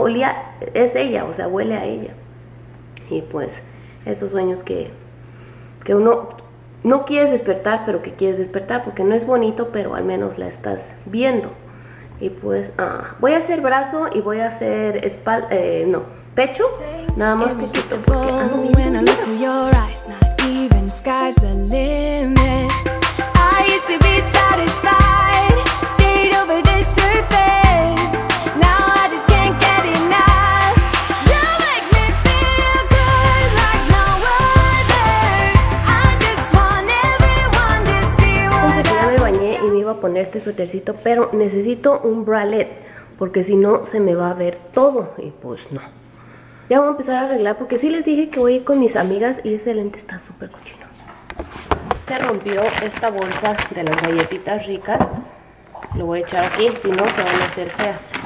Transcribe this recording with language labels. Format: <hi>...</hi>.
<es>Olía, es ella, o sea, huele a ella. Y pues, esos sueños que uno no quieres despertar, pero que quieres despertar, porque no es bonito, pero al menos la estás viendo. Y pues voy a hacer brazo y voy a hacer pecho, nada más poquito porque ando bien con</es> <en>your eyes, not even sky's the limit. I used to be satisfied, stayed over the surface. Now I just can't get enough. You make me feel good like no other. I just want everyone to see what I'm doing.</en> <es>Y me iba a poner este suétercito, pero necesito un bralette porque si no se me va a ver todo y pues no. Ya voy a empezar a arreglar porque sí les dije que voy a ir con mis amigas y ese lente está súper cochino. Se rompió esta bolsa de las galletitas ricas. Lo voy a echar aquí, si no se van a hacer feas.</es>